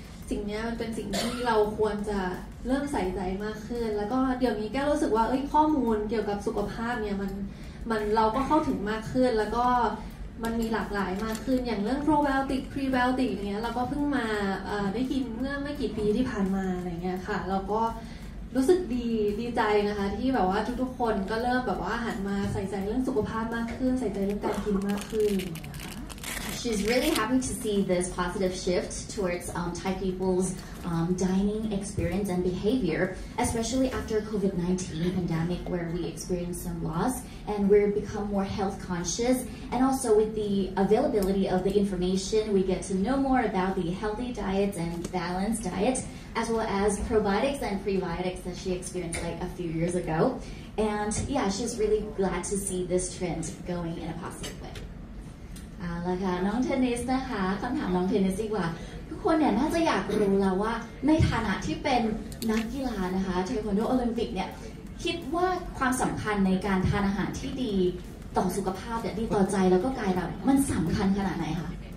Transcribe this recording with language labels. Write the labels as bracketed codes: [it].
[th] สิ่งนี้มันเป็นสิ่งที่เราควรจะเริ่มใส่ใจมากขึ้นแล้วก็เดี๋ยวนี้แกรู้สึกว่าข้อมูลเกี่ยวกับสุขภาพเนี่ยมันเราก็เข้าถึงมากขึ้นแล้วก็มันมีหลากหลายมากขึ้นอย่างเรื่องโปรไบโอติกพรีไบโอติกเนี้ยเราก็เพิ่งมาได้กินเมื่อไม่กี่ปีที่ผ่านมาอะไรเงี้ยค่ะเราก็รู้สึกดีใจนะคะที่แบบว่าทุกๆคนก็เริ่มแบบว่าหันมาใส่ใจเรื่องสุขภาพมากขึ้นใส่ใจเรื่องการกินมากขึ้น [en] She's really happy to see this positive shift towards Thai people's dining experience and behavior, especially after COVID-19 pandemic where we experienced some loss and we've become more health conscious. And also with the availability of the information, we get to know more about the healthy diets and balanced diets, as well as probiotics and prebiotics that she experienced like a few years ago. And yeah, she's really glad to see this trend going in a positive way. [th] เอาละค่ะน้องเทนนิสนะคะคำถามน้องเทนนิสดีกว่าทุกคนเนี่ยน่าจะอยากรู้แล้วว่าในฐานะที่เป็นนักกีฬานะคะเทควันโดโอลิมปิกเนี่ยคิดว่าความสำคัญในการทานอาหารที่ดีต่อสุขภาพเนี่ยดีต่อใจแล้วก็กายเรามันสำคัญขนาดไหนคะ